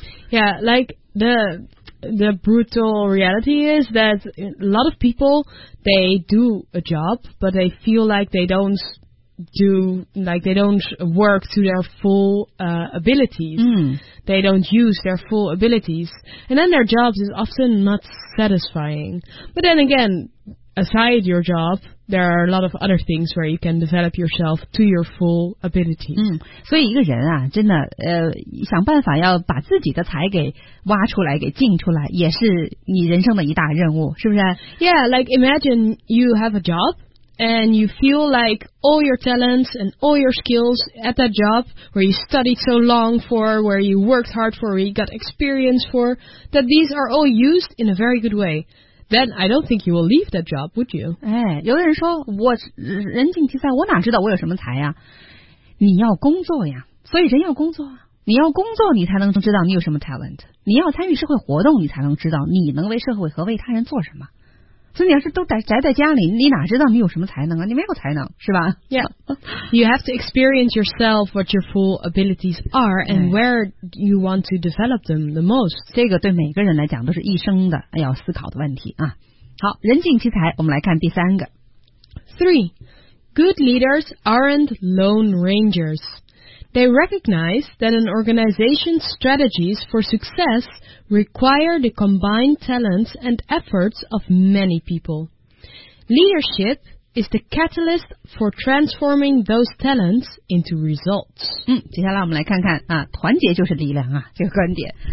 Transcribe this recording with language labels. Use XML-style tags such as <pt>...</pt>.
<en>Yeah, like the brutal reality is that a lot of people, they do a job, but they feel like they don't do, like they don't work to their full abilities. They don't use their full abilities. And then their job is often not satisfying. But then again, aside your job, there are a lot of other things where you can develop yourself to your full ability.</en> <zh>所以一个人啊，真的想办法要把自己的才给挖出来，给进出来，也是你人生的一大任务，是不是？</zh> <en>Yeah, like imagine you have a job. And you feel like all your talents and all your skills at that job where you studied so long for, where you worked hard for, where you got experience for, that these are all used in a very good way. Then I don't think you will leave that job, would you?</en> <zh>有的人说我人尽其才，我哪知道我有什么才呀？你要工作呀，所以人要工作啊。你要工作，你才能知道你有什么 talent。你要参与社会活动，你才能知道你能为社会和为他人做什么。所以你要是都宅在家里，你哪知道你有什么才能啊？你没有才能，是吧</zh> <en>？Yeah, you have to experience yourself what your full abilities are and where you want to develop them the most.</en> <zh>这个对每个人来讲都是一生的要思考的问题啊。好，人尽其才，我们来看第三个。</zh> <en>Three, good leaders aren't lone rangers. They recognize that an organization's strategies for success. Require the combined talents and efforts of many people. Leadership is the catalyst for transforming those talents into results.</en> <zh>接下来我们来看看啊，团结就是力量啊，这个观点。</zh>